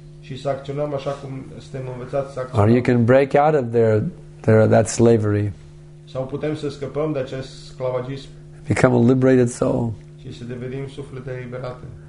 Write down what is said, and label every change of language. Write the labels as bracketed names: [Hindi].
[Romanian] Și să acționăm așa cum suntem învățați să acționăm. [English] Or you can break out of their that slavery. [Romanian] Sau putem să scăpăm de acest sclavagism. [English] Become a liberated soul. [Romanian] Și să devenim suflete eliberate.